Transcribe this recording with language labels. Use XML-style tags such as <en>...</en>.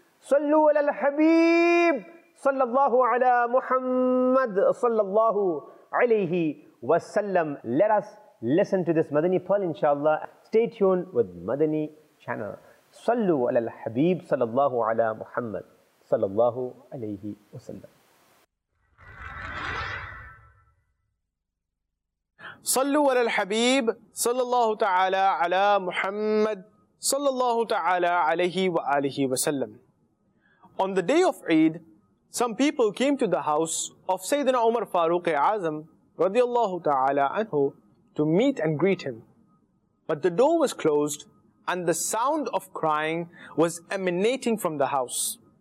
<ar>صلوا علی الحبیب صلی اللہ علی محمد صلی اللہ علیہ وسلم.</ar> <en>Let us listen to this Madani pearl inshallah. Stay tuned with Madani channel.</en> <ar>صلوا علی الحبیب صلی اللہ علی محمد صلی اللہ علیہ وسلم. صلوا علی الحبیب صلی اللہ تعالی علی محمد صلی اللہ تعالی علیہ وآلہ وسلم.</ar> <en>On the day of Eid, some people came to the house of Sayyidina Umar Farooq Azam رضی اللہ تعالی عنہ to meet and greet him. But the door was closed and the sound of crying was emanating from the house.</en>